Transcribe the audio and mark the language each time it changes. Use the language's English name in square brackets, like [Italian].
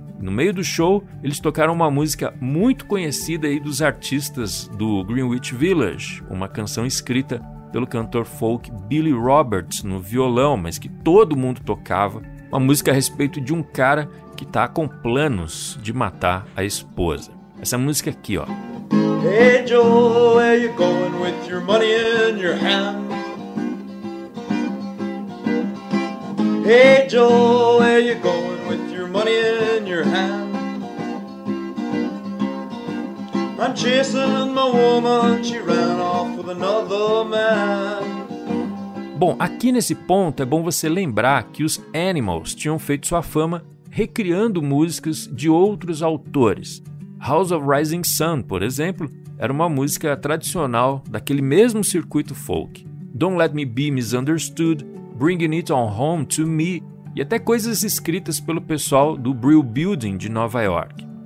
[Portuguese] No meio do show, eles tocaram uma música muito conhecida aí dos artistas do Greenwich Village, uma canção escrita pelo cantor folk Billy Roberts no violão, mas que todo mundo tocava, uma música a respeito de um cara que tá com planos de matar a esposa. Essa música aqui, ó. [English] Hey Joe, where you going with your money in your hand? Hey Joe, where you going with your money in your hand? I'm chasing my woman, she ran off with another man. [Portuguese] Bom, aqui nesse ponto é bom você lembrar que os Animals tinham feito sua fama recriando músicas de outros autores. House of Rising Sun, por exemplo, era uma música tradicional daquele mesmo circuito folk. Don't Let Me Be Misunderstood, Bringing It On Home To Me e até coisas escritas pelo pessoal do Brill Building de Nova York.